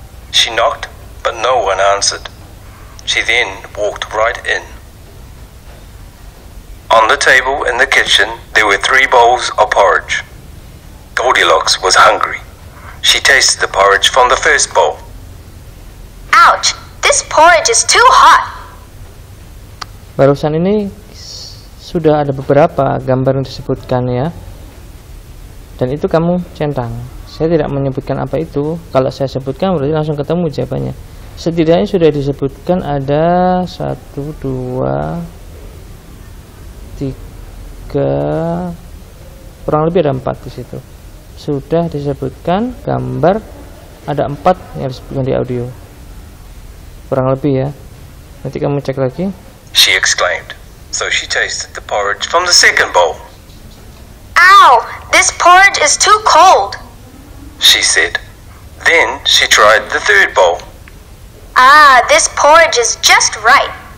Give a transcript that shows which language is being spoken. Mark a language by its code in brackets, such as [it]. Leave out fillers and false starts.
[en] She knocked, but no one answered. She then walked right in. On the table in the kitchen, there were three bowls of porridge. Goldilocks was hungry. She tasted the porridge from the first bowl. Ouch! This porridge is too hot! [id] Barusan ini sudah ada beberapa gambar yang disebutkan ya. Dan itu kamu centang. Saya tidak menyebutkan apa itu. Kalau saya sebutkan berarti langsung ketemu jawabannya. Setidaknya sudah disebutkan ada 1, 2, 3, kurang lebih ada 4 di situ. Sudah disebutkan gambar ada 4 yang disebutkan di audio. Kurang lebih ya. Nanti kamu cek lagi. [en] She exclaimed. So she tasted the porridge from the second bowl. Ow! This porridge is too cold, she said. Then she tried the third bowl. Ah, this porridge is just right,